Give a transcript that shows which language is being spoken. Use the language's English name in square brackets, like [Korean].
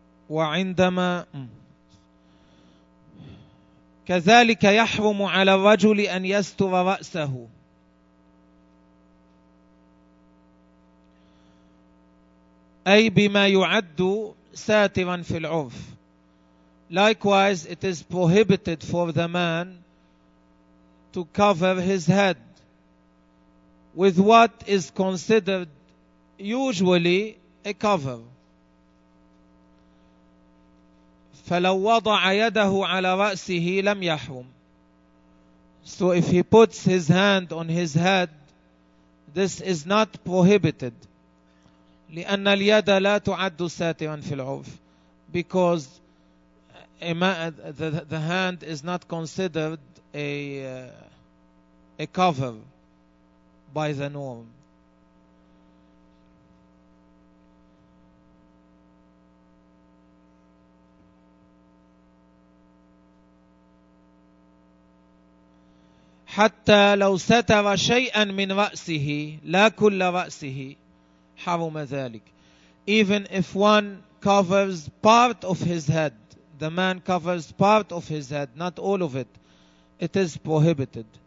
[Arabic] وعندما كذلك يحرم على الرجل أن يستر رأسه أي بما يعد ساترا في العرف. [English] Likewise, it is prohibited for the man to cover his head with what is considered usually a cover. [Arabic] فلو وضع يده على رأسه لم يحرم. [English] So if he puts his hand on his head, this is not prohibited. [Arabic] لأن اليد لا تعد ساترا في العرف. [English] Because the hand is not considered a cover by the norm. [Arabic] حتى لو ستر شيئا من رأسه لا كل رأسه حرم ذلك. [English] Even if one covers part of his head, the man covers part of his head, not all of it, it is prohibited.